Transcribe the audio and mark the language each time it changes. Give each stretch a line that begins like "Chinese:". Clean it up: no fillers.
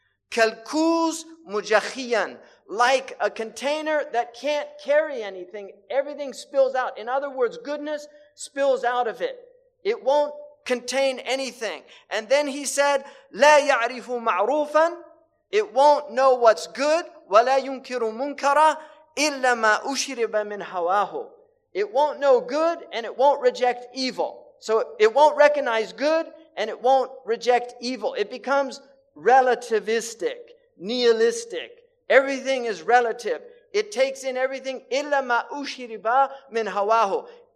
Arabic: كَالْكُوز مُجَخِيًا.
English: Like a container that can't carry anything, everything spills out. In other words, goodness spills out of it. It won't contain anything. And then he said,
Arabic: لا يعرف معروفا.
English: It won't know what's good.
Arabic: ولا ينكر منكرا إلا ما أشرب من هواه.
English: It won't know good and it won't reject evil. So it won't recognize good and it won't reject evil. It becomes relativistic, nihilistic. Everything is relative. It takes in everything.
Arabic: إلا ما أشرب من هواه.